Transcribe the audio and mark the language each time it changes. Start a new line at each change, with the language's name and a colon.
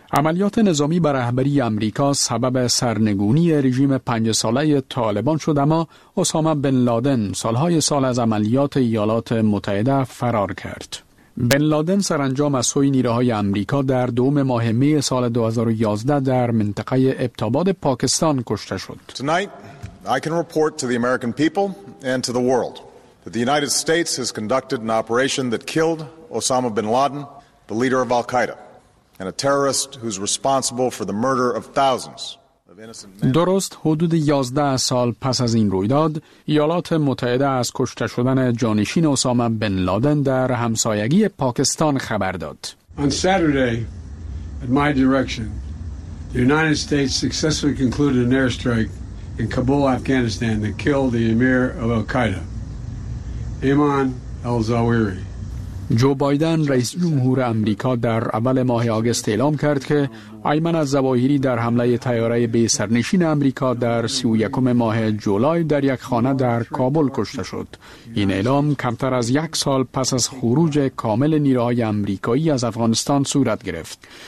Persian: عملیات نظامی به رهبری آمریکا سبب سرنگونی رژیم 5 ساله طالبان شد، اما اسامه بن لادن سالهای سال از عملیات ایالات متحده فرار کرد. بن لادن سرانجام از سوی نیروهای آمریکا در دوم ماه می سال 2011 در منطقه ابتاباد پاکستان کشته شد.
English: Tonight, I can report to the American people and to the world that the United States has conducted an operation that killed Osama bin Laden, the leader of Al-Qaeda. And a terrorist who's responsible for the murder of thousands of innocent men.
Persian: درست حدود 11 سال پس از این رویداد، ایالات متحده از کشته شدن جانشین اسامه بن لادن در همسایگی پاکستان خبر داد.
English: On Saturday, at my direction, the United States successfully concluded an airstrike in Kabul, Afghanistan that killed the emir of Al-Qaeda, Ayman al-Zawahiri.
Persian: جو بایدن رئیس جمهور آمریکا در اول ماه آگوست اعلام کرد که ایمن الزواهری در حمله تیاره بی سرنشین آمریکا در 31 ماه جولای در یک خانه در کابل کشته شد. این اعلام کمتر از یک سال پس از خروج کامل نیروهای آمریکایی از افغانستان صورت گرفت.